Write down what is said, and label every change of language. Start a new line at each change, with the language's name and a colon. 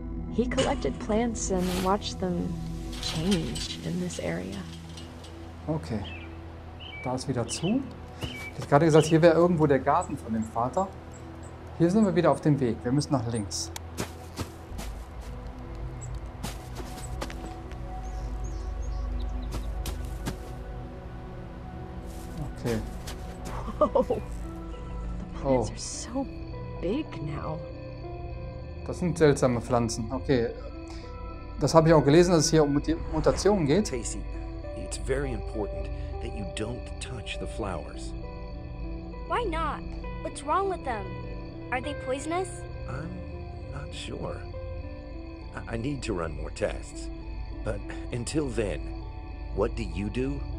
English: He collected plants and watched them change in this area.
German: Okay. Da ist wieder zu. Ich hatte gerade gesagt, hier wäre irgendwo der Garten von dem Vater. Hier sind wir wieder auf dem Weg. Wir müssen nach links. Okay.
English: Oh. Plants are so big now.
German: Das sind seltsame Pflanzen. Okay. Das habe ich auch gelesen, dass es hier um die Mutationen geht.
English: Casey, it's very important that you don't touch the flowers. Why not? What's wrong with them? Are they poisonous? I'm not sure. I need to run more tests. But until then, what do you do?